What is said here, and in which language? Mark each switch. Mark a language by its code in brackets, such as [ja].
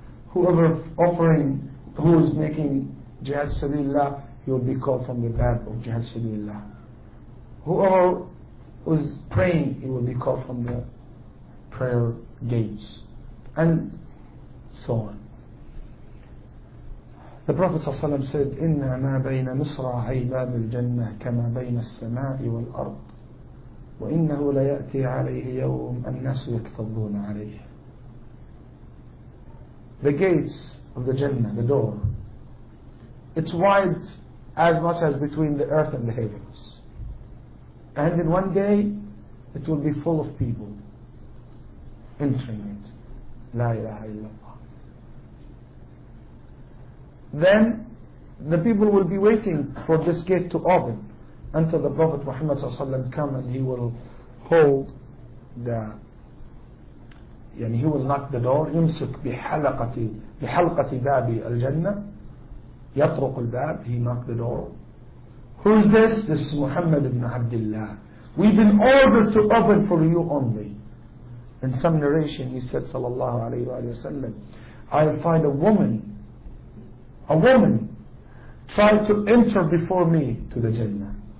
[en] Whoever offering, who is making Jihad Sabilillah, he will be called from the Bab of Jihad Sabilillah. Whoever is praying, he will be called from the prayer gates. And so on. [ar] The Prophet ﷺ said, إِنَّا مَا بَيْنَ مِصْرَ عَيْبَابِ الْجَنَّةِ كَمَا بَيْنَ السَّمَاءِ وَالْأَرْضِ وَإِنَّهُ لَيَأْتِي عَلَيْهِ يَوْمَ النَّاسُ يَكْتَضُّونَ عَلَيْهِ. [en] The gates of the Jannah, the door, it's wide as much as between the earth and the heavens. And in one day, it will be full of people entering it. [ar] لا إله إلا الله. [en] Then the people will be waiting for this gate to open until the Prophet Muhammad ﷺ come and he will hold the, he will knock the door. [ar] يمسك بحلقة باب الجنة يطرق الباب. [en] He knocked the door. Who is this? This is Muhammad ibn Abdullah. We've been ordered to open for you only. In some narration he said sallallahu alayhi wa sallam, I'll find a woman, a woman tried to enter before me to the Jannah.